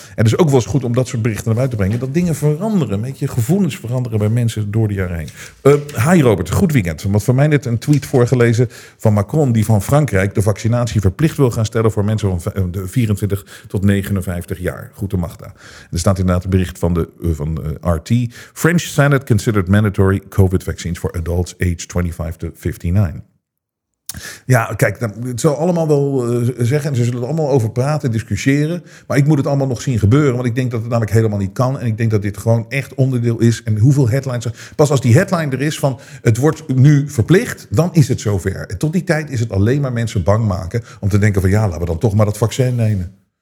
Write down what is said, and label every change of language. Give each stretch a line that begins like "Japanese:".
Dutch: En het is ook wel eens goed om dat soort berichten naar buiten te brengen. Dat dingen veranderen, met je gevoelens veranderen bij mensen door de jaren heen. Hi Robert, goed weekend. Want van mij net een tweet voorgelezen van Macron, die van Frankrijk de vaccinatie verplicht wil gaan stellen voor mensen van 24 tot 59 jaar. Goede macht daar. Er staat inderdaad een bericht van RT.
English: French Senate considered mandatory COVID vaccines for adults aged 25 to 59.
Dutch: Ja, kijk, het zal allemaal wel zeggen, en ze zullen het allemaal over praten, discussiëren, maar ik moet het allemaal nog zien gebeuren, want ik denk dat het namelijk helemaal niet kan, en ik denk dat dit gewoon echt onderdeel is, en hoeveel headlines, pas als die headline er is van het wordt nu verplicht, dan is het zover. En tot die tijd is het alleen maar mensen bang maken om te denken van ja, laten we dan toch maar dat vaccin nemen.